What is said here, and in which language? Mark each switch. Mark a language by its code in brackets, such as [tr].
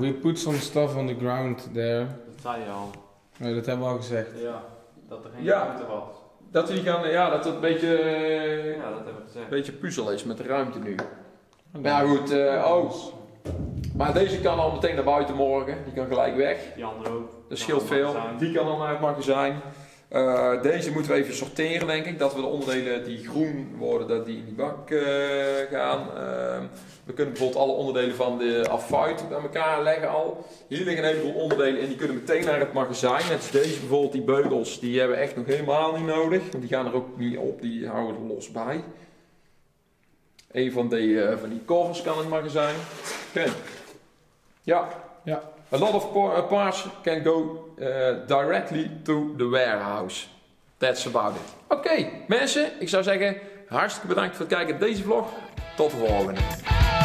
[en] We put some stuff on the ground there. [nl] Dat zei je al. Nee, dat hebben we al gezegd. Ja, dat er geen ruimte was. Dat we gaan, ja, dat het een beetje, ja, dat hebben we gezegd. Een beetje puzzel is met de ruimte nu. Ja, nou, goed, oh. Maar deze kan al meteen naar buiten morgen. Die kan gelijk weg. Die andere ook. Dat scheelt veel. Die kan dan naar het magazijn. Deze moeten we even sorteren, denk ik. Dat we de onderdelen die groen worden, dat die in die bak gaan. We kunnen bijvoorbeeld alle onderdelen van de affuit bij elkaar leggen al. Hier liggen een heleboel onderdelen en die kunnen meteen naar het magazijn. Net als deze bijvoorbeeld, die beugels, die hebben we echt nog helemaal niet nodig. Want die gaan er ook niet op, die houden er los bij. Een van die koffers kan in het magazijn. Ken. Ja. Ja. [en] A lot of parts can go directly to the warehouse. That's about it. [nl] Oké, mensen, ik zou zeggen hartstikke bedankt voor het kijken op deze vlog. Tot de volgende.